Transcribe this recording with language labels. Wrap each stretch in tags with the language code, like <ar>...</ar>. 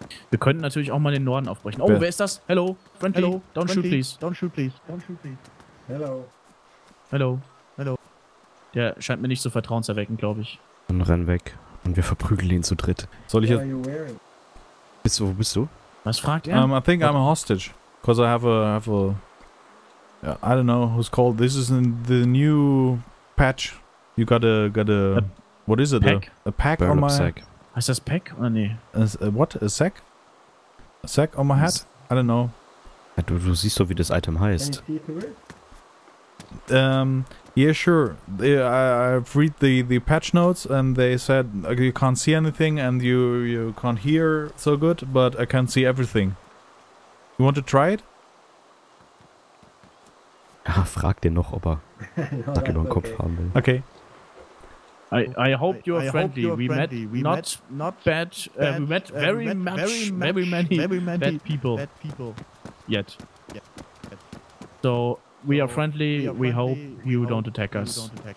<de>Wir könnten natürlich auch mal den Norden aufbrechen. Oh, wer ist das?</de> <en>Hello, friendly. Hello. Don't shoot, please. Hello. Hello.</en> <de>Der scheint mir nicht so vertrauenserweckend, glaube ich. Dann renn weg und wir verprügeln ihn zu dritt. Soll ich jetzt... Wo bist du? Was fragt er?</de> <en>I think I'm a hostage. Because I have a... I don't know who's called. This is in the new patch. You got a... What is it? A pack on my...</en> <de>Sack. Heißt das Pack oder nee?</de> <en>A sack? A sack on my hat? I don't know.</en> <de>Ja, du siehst doch, wie das Item heißt.</de> <en>Yeah, sure. I've read the patch notes and they said you can't see anything and you can't hear so good, but I can see everything. You want to try it?</en> <de>Ja, frag den noch, ob er Sack über den Kopf haben will.</de> <en>Okay. I hope you are friendly. We met very many bad people yet. So we are friendly. We hope you don't attack us.</en>